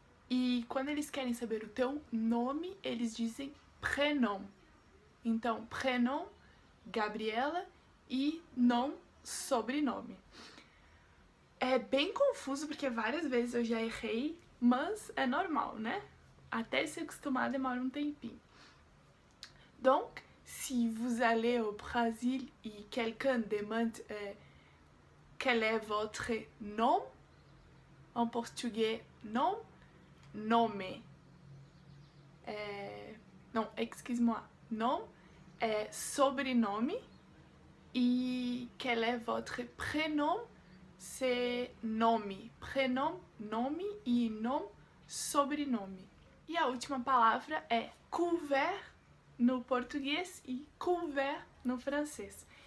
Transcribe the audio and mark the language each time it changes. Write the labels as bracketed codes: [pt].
[pt] E quando eles querem saber o teu nome, eles dizem prénom. Então, prénom, Gabriela e nom, sobrenome. É bem confuso porque várias vezes eu já errei, mas é normal, né? Até se acostumar demora um tempinho. [fr] Donc, si vous allez au Brésil et quelqu'un demande quel est votre nom, en portugais, nom, nome. Non, excuse-moi, nom [pt] é sobrenome e [fr] quel est votre prénom? C'est nome, prénom, nome e nom, sobrenome. [pt] E a última palavra é couvert no português e couvert no francês.